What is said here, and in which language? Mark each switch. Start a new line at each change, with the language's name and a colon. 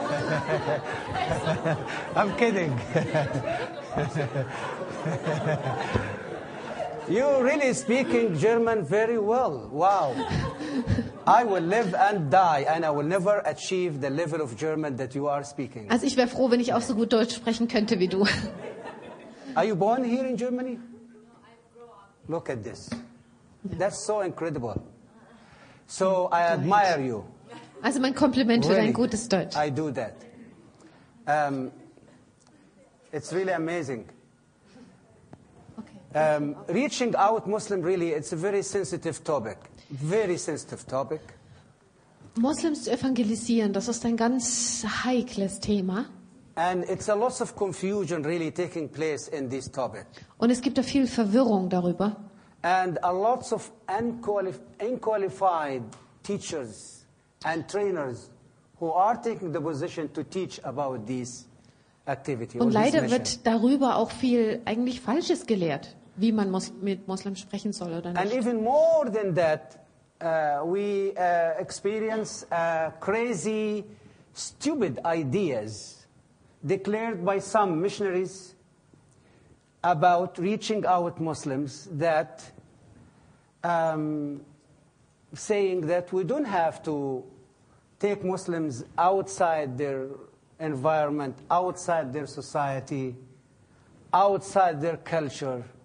English: I'm kidding. You really speak in German very well. Wow. I will live and die, and I will never achieve the level of German that you are speaking.
German: Also, ich wäre froh, wenn ich auch so gut Deutsch sprechen könnte wie du.
English: Are you born here in Germany? No, look at this. Yeah. That's so incredible. So I admire you.
German: Also, mein Kompliment
English: really,
German: für dein gutes Deutsch.
English: I do that. It's really amazing. Okay. Reaching out Muslim, really, it's a very sensitive topic. Very sensitive topic.
German: Muslims zu evangelisieren, das ist ein ganz heikles Thema.
English: And it's a lot of confusion really taking place in this topic.
German: Und es gibt da viel Verwirrung darüber.
English: And a lot of unqualified teachers and trainers who are taking the position to teach about this activity.
German: Und leider wird darüber auch viel eigentlich Falsches gelehrt, wie man mit Muslimen sprechen soll oder nicht.
English: And even more than that, we experience crazy, stupid ideas declared by some missionaries about reaching out Muslims that saying that we don't have to take Muslims outside their environment, outside their society, outside their culture.